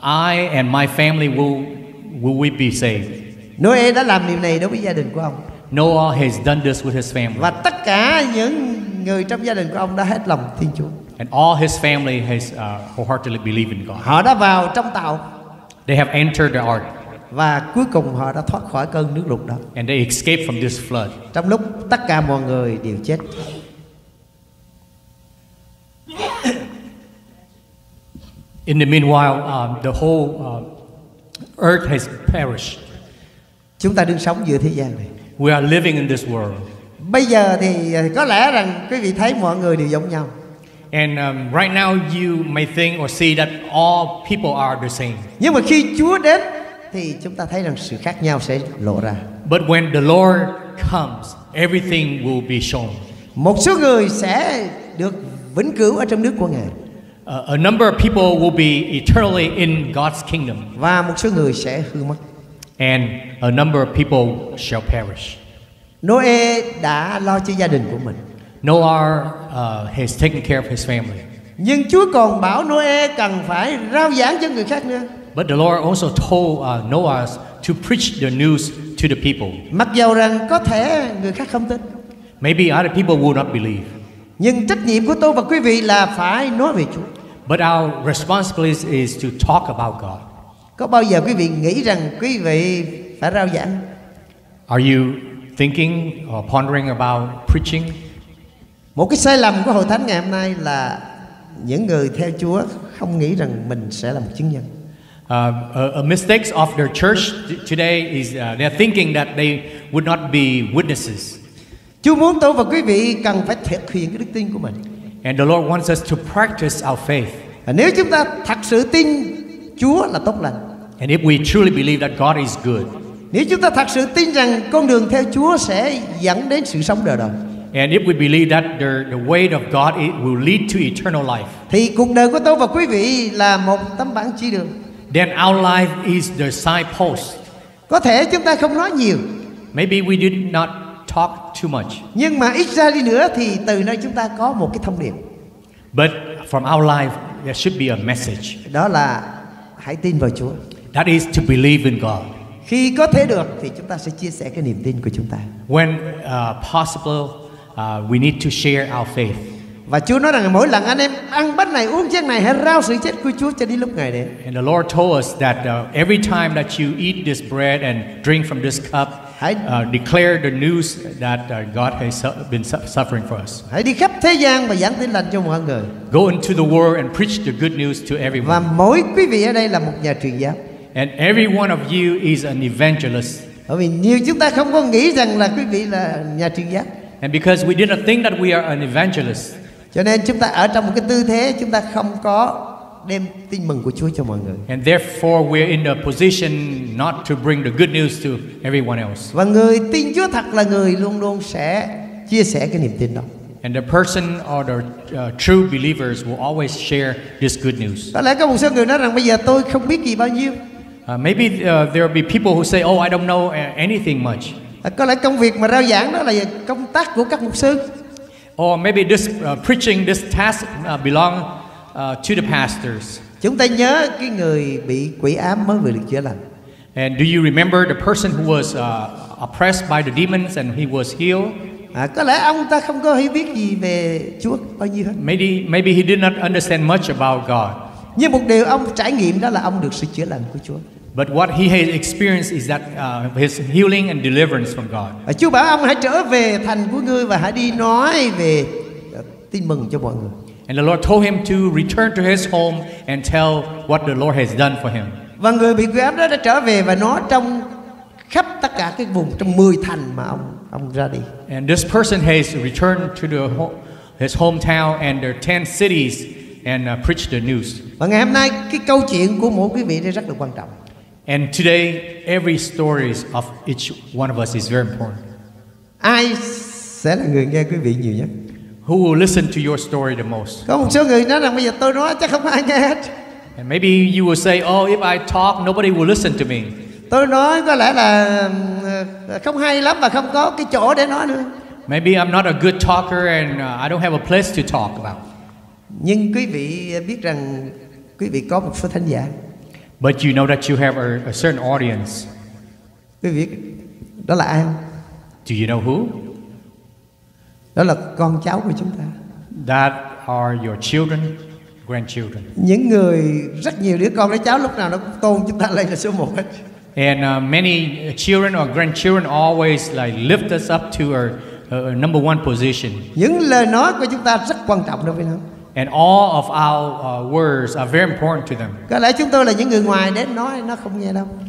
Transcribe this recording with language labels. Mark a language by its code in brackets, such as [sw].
[en] I and my family will we be saved? [vi] Noah đã làm điều này đối với gia đình của ông. [en] Noah has done this with his family. [vi] Và tất cả những người trong gia đình của ông đã hết lòng tin Chúa. [en] And all his family has wholeheartedly believed in God. [vi] Họ đã vào trong tàu. [en] They have entered the ark. [vi] Và cuối cùng họ đã thoát khỏi cơn nước lụt đó. [en] And they escaped from this flood. [vi] Trong lúc tất cả mọi người đều chết. [en] In the meanwhile, the whole earth has perished. [vi] Chúng ta đang sống giữa thế gian này. [en] We are living in this world. [vi] Bây giờ thì có lẽ rằng quý vị thấy mọi người đều giống nhau. [en] And right now you may think or see that all people are the same. [vi] Nhưng mà khi Chúa đến thì chúng ta thấy rằng sự khác nhau sẽ lộ ra. [en] But when the Lord comes, everything will be shown. [vi] Một số người sẽ được vĩnh cửu ở trong nước của Ngài. [en] A number of people will be eternally in God's kingdom. [vi] Và một số người sẽ hư mất. [en] And a number of people shall perish. [vi] Noe đã lo cho gia đình của mình. [en] Noah has taken care of his family. [vi] Nhưng Chúa còn bảo Noe cần phải rao giảng cho người khác nữa. [en] But the Lord also told Noah to preach the news to the people. [vi] Mặc dầu rằng có thể người khác không tin. [en] Maybe other people will not believe. [vi] Nhưng trách nhiệm của tôi và quý vị là phải nói về Chúa. [en] But our responsibility is to talk about God. [vi] Có bao giờ quý vị nghĩ rằng quý vị phải rao giảng? [en] Are you thinking or pondering about preaching? [vi] Một cái sai lầm của hội thánh ngày hôm nay là những người theo Chúa không nghĩ rằng mình sẽ là một chứng nhân. [en] A mistake of their church today is they're thinking that they would not be witnesses. [vi] Chúa muốn tôi và quý vị cần phải thực hiện cái đức tin của mình. [en] And the Lord wants us to practice our faith. [vi] Nếu chúng ta thật sự tin Chúa là tốt lành. [en] And if we truly believe that God is good. [vi] Nếu chúng ta thật sự tin rằng con đường theo Chúa sẽ dẫn đến sự sống đời đời. [en] And if we believe that the way of God it will lead to eternal life. [vi] Thì cuộc đời của tôi và quý vị là một tấm bảng chỉ đường. [en] Then our life is the signpost. [vi] Có thể chúng ta không nói nhiều. [en] Maybe we did not talk too much. [vi] Nhưng mà ít ra đi nữa thì từ nơi chúng ta có một cái thông điệp. [en] But from our life there should be a message. [vi] Đó là hãy tin vào Chúa. [en] That is to believe in God. [vi] Khi có thể được thì chúng ta sẽ chia sẻ cái niềm tin của chúng ta. [en] When possible we need to share our faith. [vi] Và Chúa nói rằng mỗi lần anh em ăn bánh này uống chén này hãy rao sự chết của Chúa cho đến lúc ngày đến. [en] And the Lord told us that every time that you eat this bread and drink from this cup, declare the news that God has been suffering for us. [vi] Hãy đi khắp thế gian và giảng tin lành cho mọi người. [en] Go into the world and preach the good news to everyone. [vi] Và mỗi quý vị ở đây là một nhà truyền giáo. [en] And every one of you is an evangelist. [vi] Bởi vì nhiều chúng ta không có nghĩ rằng là quý vị là nhà truyền giáo. [en] And because we didn't think that we are an evangelist. [vi] Cho nên chúng ta ở trong một cái tư thế chúng ta không có đem tin mừng của Chúa cho mọi người. [en] And therefore we're in a position not to bring the good news to everyone else. [vi] Và người tin Chúa thật là người luôn luôn sẽ chia sẻ cái niềm tin đó. [en] And the person or the true believers will always share this good news. [vi] Có lẽ có một số người nói rằng bây giờ tôi không biết gì bao nhiêu. [en] Maybe there will be people who say, "Oh, I don't know anything much." [vi] Có lẽ công việc mà rao giảng đó là công tác của các mục sư. [en] Or maybe this preaching, this task belong to the pastors. [vi] Chúng ta nhớ cái người bị quỷ ám mới vừa được chữa lành. [en] And do you remember the person who was oppressed by the demons and he was healed? [vi] Có lẽ ông ta không có hiểu biết gì về Chúa bao nhiêu hết. [en] Maybe he did not understand much about God. [vi] Nhưng một điều ông trải nghiệm đó là ông được sự chữa lành của Chúa. [en] But what he has experienced is that his healing and deliverance from God. [vi] Chúa bảo ông hãy trở về thành của ngươi và hãy đi nói về tin mừng cho mọi người. [en] And the Lord told him to return to his home and tell what the Lord has done for him. [vi] Và người bị quỷ ám đó đã trở về và nói trong khắp tất cả cái vùng trong 10 thành mà ông ra đi. [en] And this person has returned to his hometown and their 10 cities and preached the news. [vi] Và ngày hôm nay cái câu chuyện của mỗi quý vị rất là quan trọng. [en] And today, every story of each one of us is very important. [vi] Ai sẽ là người nghe quý vị nhiều nhất? [en] Who will listen to your story the most? [vi] Có một số người nói rằng bây giờ tôi nói chắc không ai nghe hết. [en] And maybe you will say, oh, if I talk, nobody will listen to me. [vi] Tôi nói có lẽ là không hay lắm và không có cái chỗ để nói nữa. [en] Maybe I'm not a good talker and I don't have a place to talk about. [vi] Nhưng quý vị biết rằng quý vị có một số thánh giả. [en] But you know that you have a certain audience. [vi] Quý vị, đó là ai? [en] Do you know who? [vi] Đó là con cháu của chúng ta. [en] That are your children, grandchildren. [vi] Những người rất nhiều đứa con đứa cháu lúc nào nó cũng tôn chúng ta lên là số một hết. [en] And many children or grandchildren always like lift us up to our number one position. [vi] Những lời nói của chúng ta rất quan trọng đối với nó. [en] And all of our words are very important to them. [vi] Có lẽ chúng tôi là những người ngoài đến nói nó không nghe đâu.